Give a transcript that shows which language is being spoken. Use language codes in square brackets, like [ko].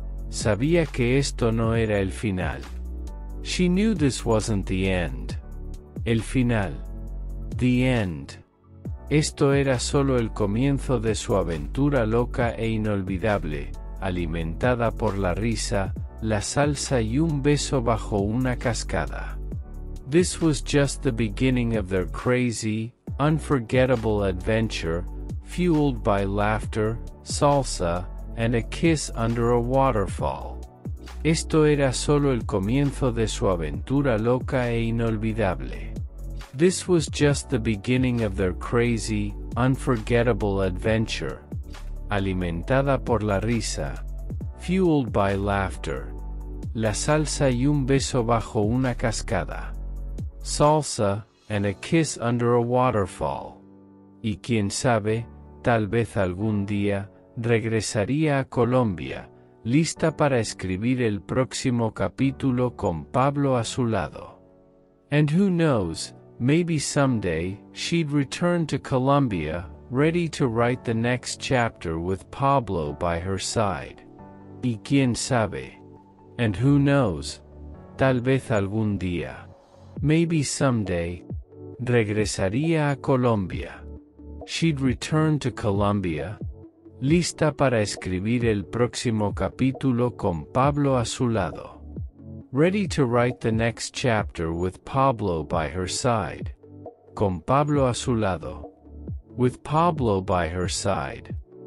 [es] Sabía que esto no era el final. [en] She knew this wasn't the end. [es] El final. [en] The end. [es] Esto era solo el comienzo de su aventura loca e inolvidable, alimentada por la risa, la salsa y un beso bajo una cascada. [en] This was just the beginning of their crazy, unforgettable adventure, fueled by laughter, salsa, and a kiss under a waterfall. [es] Esto era solo el comienzo de su aventura loca e inolvidable. [en] This was just the beginning of their crazy, unforgettable adventure. [es] Alimentada por la risa. [en] Fueled by laughter. [es] La salsa y un beso bajo una cascada. [en] Salsa, and a kiss under a waterfall. [es] Y quién sabe, tal vez algún día, regresaría a Colombia, lista para escribir el próximo capítulo con Pablo a su lado. [en] And who knows, maybe someday, she'd return to Colombia, ready to write the next chapter with Pablo by her side. [es] Y quién sabe. [en] And who knows. [es] Tal vez algún día. [en] Maybe someday. [es] Regresaría a Colombia. [en] She'd return to Colombia. [es] Lista para escribir el próximo capítulo con Pablo a su lado. [en] Ready to write the next chapter with Pablo by her side. [es] Con Pablo a su lado. [en] With Pablo by her side.